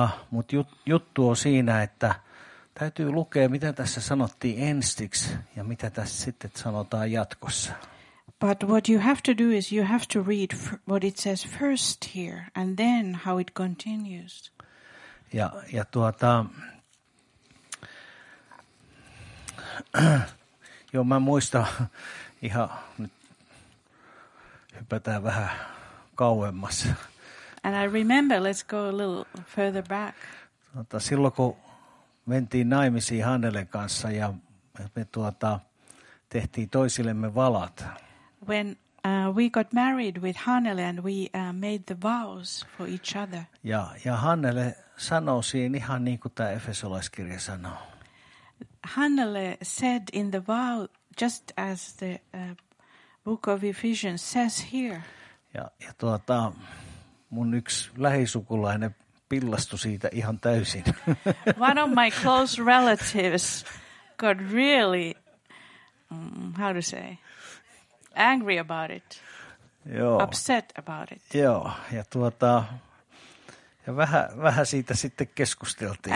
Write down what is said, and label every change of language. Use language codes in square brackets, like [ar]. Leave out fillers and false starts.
[fi] Mut juttu on siinä, että täytyy lukea, mitä tässä sanottiin ensiksi ja mitä tässä sitten sanotaan jatkossa. [en] But what you have to do is you have to read what it says first here and then how it continues. [fi] Ja tuota, joo, mä muistan ihan, nyt hypätään vähän kauemmas. [en] And I remember, let's go a little further back. [fi] Silloin kun mentiin naimisiin Hannelen kanssa ja me tuota, tehtiin toisillemme valat. [en] When we got married with Hannele and we made the vows for each other. [fi] Ja Hannele sanoi siinä ihan niin kuin tämä Efesolaiskirja sanoo. [en] Hannele said in the vow, just as the book of Ephesians says here. [fi] Ja tuota, mun yksi lähisukulainen pillastui siitä ihan täysin. [en] One of my close relatives got really, how to say, angry about it. [fi] Joo. [en] Upset about it. [fi] Joo, ja tuota, ja vähän siitä sitten keskusteltiin.